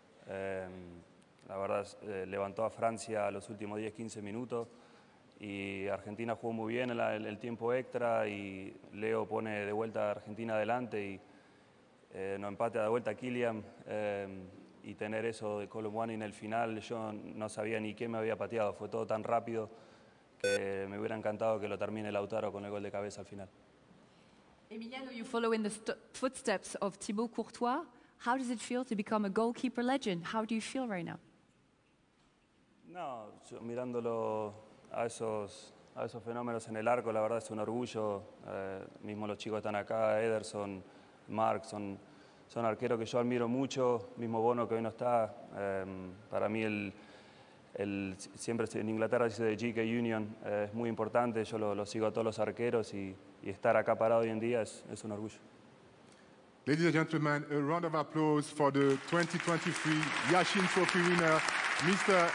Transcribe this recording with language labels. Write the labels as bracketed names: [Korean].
[Spanish] La verdad, levantó a Francia los últimos 10-15 minutos y Argentina jugó muy bien en el tiempo extra y Leo pone de vuelta a Argentina adelante y nos empata de vuelta a Kylian y tener eso de Colomboani en el final, yo no sabía ni qué me había pateado, fue todo tan rápido que me hubiera encantado que lo termine Lautaro con el gol de cabeza al final. [English] Emiliano, you follow in the footsteps of Thibaut Courtois. How does it feel to become a goalkeeper legend? How do you feel right now? [Spanish] No, yo mirándolo a esos fenómenos en el arco, la verdad es un orgullo. Mismo los chicos están acá, Ederson, Mark, son, son arqueros que yo admiro mucho, mismo Bono que hoy no está. Para mí el siempre en Inglaterra dice de GK Union, es muy importante, yo lo sigo a todos los arqueros y estar acá parado hoy en día es un orgullo. [English] Ladies and gentlemen, a round of applause for the 2023 Yashin Trophy winner, Mr.